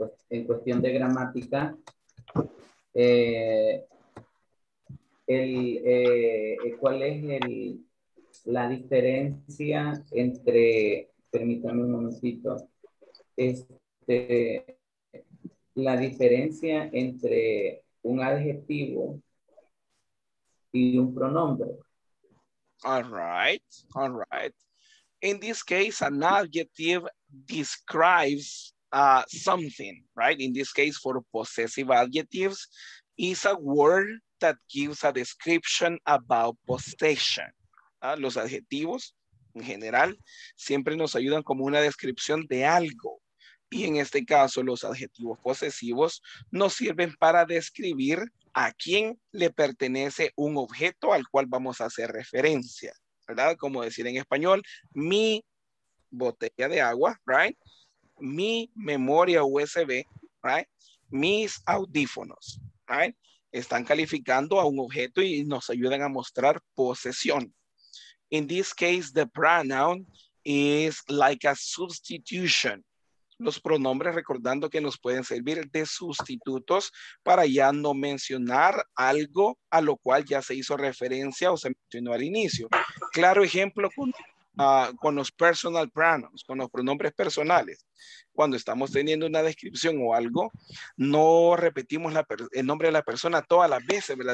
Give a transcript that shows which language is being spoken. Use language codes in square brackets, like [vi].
[es] En cuestión de gramática, ¿cuál es la diferencia entre, permítame un momentito, la diferencia entre un adjetivo y un pronombre? [en] All right. In this case, an adjective describes something, right? In this case, for possessive adjectives, is a word that gives a description about possession. [es] Los adjetivos, en general, siempre nos ayudan como una descripción de algo. Y en este caso, los adjetivos posesivos nos sirven para describir a quién le pertenece un objeto al cual vamos a hacer referencia, ¿verdad? Como decir en español, mi botella de agua, [en] right? [es] Mi memoria USB, [en] right? [es] Mis audífonos, right? Están calificando a un objeto y nos ayudan a mostrar posesión. [en] In this case, the pronoun is like a substitution. [es] Los pronombres, recordando que nos pueden servir de sustitutos para ya no mencionar algo a lo cual ya se hizo referencia o se mencionó al inicio. Claro ejemplo con los [en] personal pronouns, [es] con los pronombres personales. Cuando estamos teniendo una descripción o algo, no repetimos el nombre de la persona todas las veces, ¿verdad?